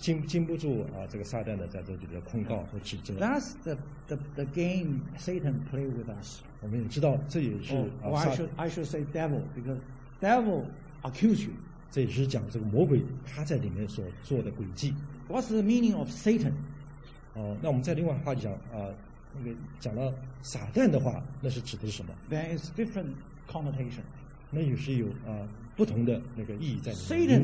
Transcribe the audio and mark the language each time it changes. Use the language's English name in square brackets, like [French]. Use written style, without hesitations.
[Chinese] 经不住这个撒旦的在这里的控告和指责 [English] That's the game Satan play with us [Chinese] 我们也知道这也是、 [English] I should say devil because devil accuse you [Chinese] 这也是讲这个魔鬼他在里面所做的诡计 [English] What's the meaning of Satan [Chinese] 那我们再另外话讲讲到撒旦的话那是指的是什么 [English] Then it's different connotation [Chinese] 那也是有不同的那个意义在里面。